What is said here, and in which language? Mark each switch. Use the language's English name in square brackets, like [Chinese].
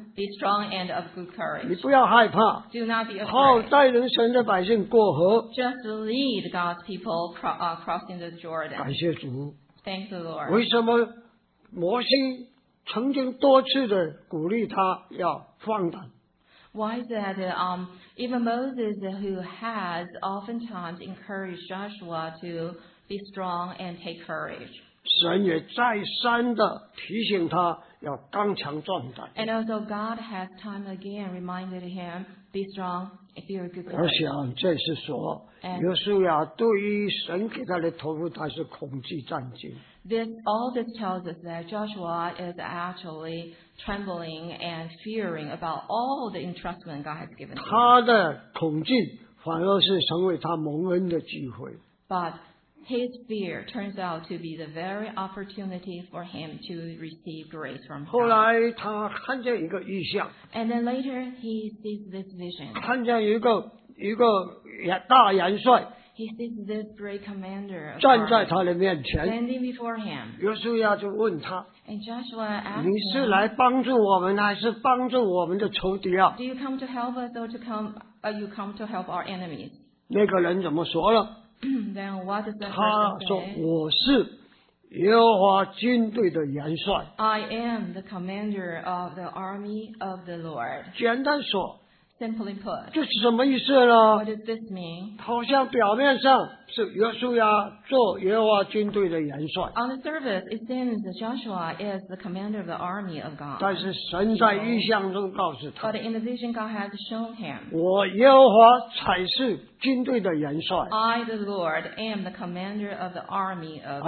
[English] Be strong and of good courage. [Chinese] 你不要害怕。 [English] Do not be afraid. [Chinese] 好带领神的百姓过河。 [English] Just lead God's people crossing the Jordan. [Chinese] 感谢主。 [English] Thank the Lord. [Chinese] 为什么摩西曾经多次的鼓励他要壮胆？ [English] Why is that even Moses, who has oftentimes encouraged Joshua to be strong and take courage? [Chinese] 神也再三地提醒他要刚强壮胆。 [English] And also God has time again reminded him, be strong, be a good person. [Chinese] 我想这是说，约书亚对于神给他的托付，他是恐惧战惊。 [English] All this tells us that Joshua is actually trembling and fearing about all the entrustment God has given him. [Chinese] 他的恐惧反而是成为他蒙恩的机会。 [English] But his fear turns out to be the very opportunity for him to receive grace from God. [Chinese] 后来他看见一个异象。 [English] And then later he sees this vision. [Chinese] 看见一个大元帅。 [English] He sees this great commander of standing [Chinese] 站在他的面前 [English] standing before him. [Chinese] 约书亚就问他 [English] And Joshua asked him, [Chinese] 你是来帮助我们还是帮助我们的仇敌啊 [English] Do you come to help us or you come to help our enemies? [Chinese] 那个人怎么说了 [English] Then what does that [Chinese] 他说我是耶和华军队的元帅 [English] I am the commander of the army of the Lord. [Chinese] 简单说 [English] Simply put, [Chinese] 这是什么意思呢 [English] What does this mean? [Chinese] 好像表面上是约书亚做耶和华军队的元帅。 [English] On the surface, it seems that Joshua is the commander of the army of God. [Chinese] 但是神在异象中告诉他。 [English] But in the vision God has shown him, [Chinese] 我耶和华才是军队的元帅。 [English] I, the Lord, am the commander of the army of God.